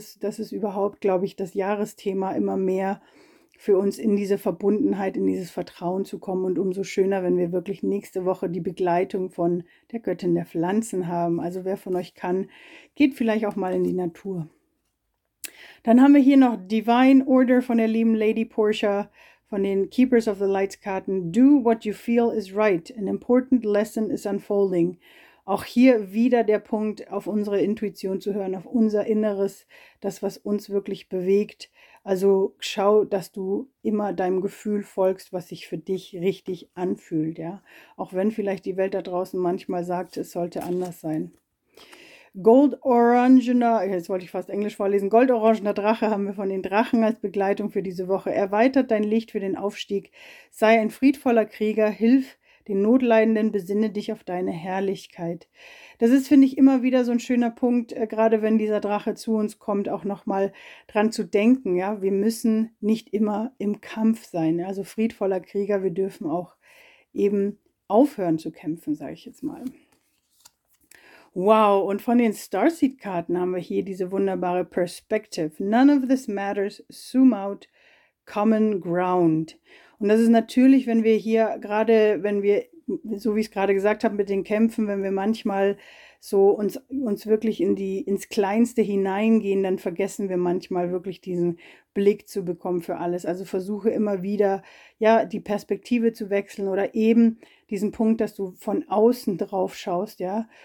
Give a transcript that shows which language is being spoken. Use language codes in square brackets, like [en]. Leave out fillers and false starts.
[de] Das ist überhaupt, glaube ich, das Jahresthema, immer mehr für uns in diese Verbundenheit, in dieses Vertrauen zu kommen. Und umso schöner, wenn wir wirklich nächste Woche die Begleitung von der Göttin der Pflanzen haben. Also wer von euch kann, geht vielleicht auch mal in die Natur. Dann haben wir hier noch Divine Order von der lieben Lady Portia. Von den [en] Keepers of the Lights Karten, do what you feel is right. An important lesson is unfolding. [de] Auch hier wieder der Punkt, auf unsere Intuition zu hören, auf unser Inneres, das, was uns wirklich bewegt. Also schau, dass du immer deinem Gefühl folgst, was sich für dich richtig anfühlt. Ja? Auch wenn vielleicht die Welt da draußen manchmal sagt, es sollte anders sein. Goldorangener, jetzt wollte ich fast Englisch vorlesen, goldorangener Drache haben wir von den Drachen als Begleitung für diese Woche. Erweitert dein Licht für den Aufstieg, sei ein friedvoller Krieger, hilf den Notleidenden, besinne dich auf deine Herrlichkeit. Das ist, finde ich, immer wieder so ein schöner Punkt, gerade wenn dieser Drache zu uns kommt, auch nochmal dran zu denken. Ja, wir müssen nicht immer im Kampf sein. Also friedvoller Krieger, wir dürfen auch eben aufhören zu kämpfen, sage ich jetzt mal. Wow, und von den Starseed-Karten haben wir hier diese wunderbare Perspective. [en] None of this matters, zoom out, common ground. [de] Und das ist natürlich, wenn wir hier gerade, wenn wir, so wie ich es gerade gesagt habe, mit den Kämpfen, wenn wir manchmal so uns wirklich ins Kleinste hineingehen, dann vergessen wir manchmal wirklich diesen Blick zu bekommen für alles. Also versuche immer wieder, ja, die Perspektive zu wechseln oder eben diesen Punkt, dass du von außen drauf schaust, ja.